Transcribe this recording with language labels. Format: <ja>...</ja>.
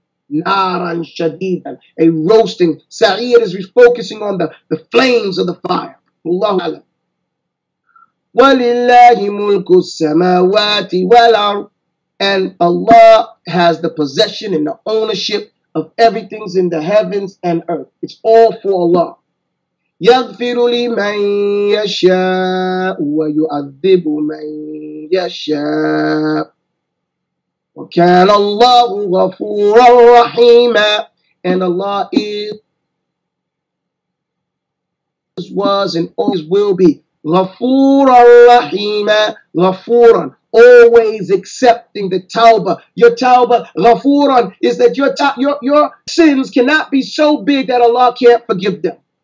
<en>Naran shadidan, a roasting. Sa'ir is focusing on the flames of the fire. Allahu a'lam.</en> <ar>Wa lillahi mulku samawati wal ard.</ar> <en>And Allah has the possession and the ownership of everything's in the heavens and earth. It's all for Allah.</en> <ar>يغفر لمن يشاء ويعذب من يشاء وكان الله غفورا رحيما.</ar> <en>And Allah is, was, and always will be</en> <ar>غفورا رحيما.</ar> <en>غفورا, always accepting the tawbah. Your tawbah غفورا is that your sins cannot be so big that Allah can't forgive them.</en>